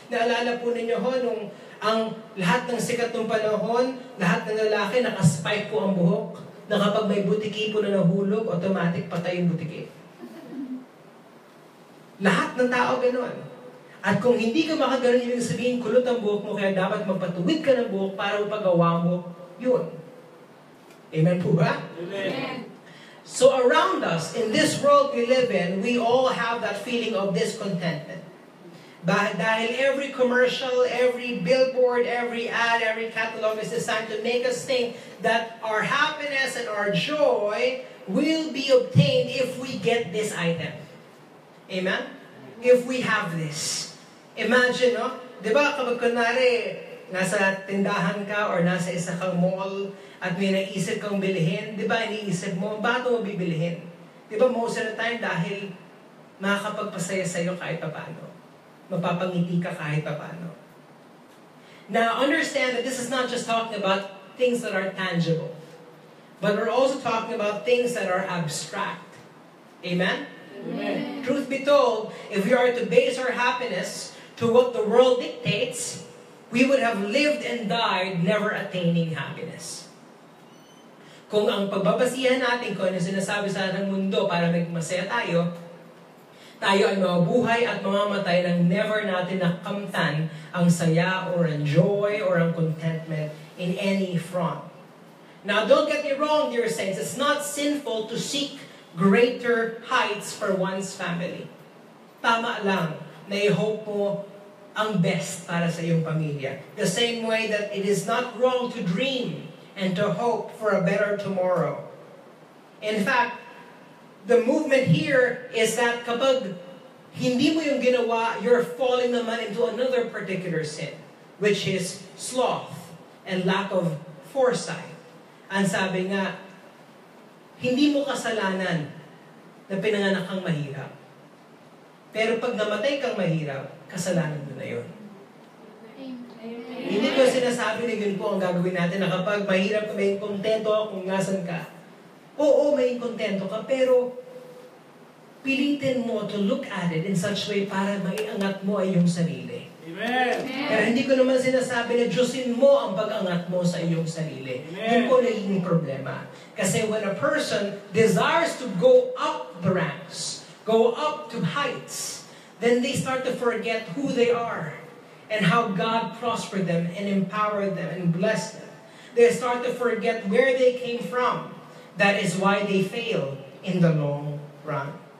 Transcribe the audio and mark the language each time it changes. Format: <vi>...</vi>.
<tl>Naalala po ninyo ho, nung ang lahat ng sikat nung panahon, lahat ng lalaki, nakaspike po ang buhok, na kapag may butiki po na nahulog, automatic patay yung butiki. Lahat ng tao ganun. At kung hindi ka makagano'n, yung sabihin, kulot ang buhok mo, kaya dapat magpatuwid ka ng buhok para upagawa mo yun. Amen po ba?</tl> <en>Amen. So around us, in this world we live in, we all have that feeling of discontentment. Dahil every commercial, every billboard, every ad, every catalog is designed to make us think that our happiness and our joy will be obtained if we get this item. Amen? If we have this. Imagine, no?</en> <tl>Diba, kapag kunwari, nasa tindahan ka or nasa isa kang mall at may naisip kang bilhin, diba, iniisip mo, bakit mo bibilhin? Diba,</tl> <en>most of the time,</en> <tl>dahil makakapagpasaya sa'yo kahit papano. Mapapangiti ka kahit papano.</tl> <en>Now, understand that this is not just talking about things that are tangible. But we're also talking about things that are abstract. Amen? Amen. Truth be told, if we are to base our happiness to what the world dictates, we would have lived and died never attaining happiness.</en> <tl>Kung ang pagbabasihan natin, kung ano sinasabi sa ating mundo para magmasaya tayo, tayo ay mabuhay at mamamatay nang never natin nakamtan ang saya or ang joy or ang</tl> <en>contentment in any front. Now, don't get me wrong, dear saints. It's not sinful to seek greater heights for one's family.</en> <tl>Tama lang na i-hope mo ang best para sa iyong pamilya.</tl> <en>The same way that it is not wrong to dream and to hope for a better tomorrow. In fact, the movement here is that</en> <tl>kapag hindi mo yung ginawa,</tl> <en>you're falling naman into another particular sin, which is sloth and lack of foresight.</en> <tl>Ang sabi nga, hindi mo kasalanan na pinanganak kang mahirap. Pero pag namatay kang mahirap, kasalanan mo na yun.</tl> <en>Amen.</en> <tl>Hindi ko sinasabi na yun po ang gagawin natin, na kapag mahirap ka, may kontento kung nasan ka. Oo, may kontento ka, pero pilitin mo</tl> <en>to look at it in such a way</en> <tl>para maiangat mo ay iyong sarili.</tl> <en>Amen.</en> <tl>Pero hindi ko naman sinasabi na Diyosin mo ang pag-angat mo sa iyong sarili.</tl> <en>Amen.</en> <tl>Yun po nagiging problema.</tl> <en>Kasi when a person desires to go up the ranks, go up to heights, then they start to forget who they are and how God prospered them and empowered them and blessed them. They start to forget where they came from. That is why they fail in the long run.</en>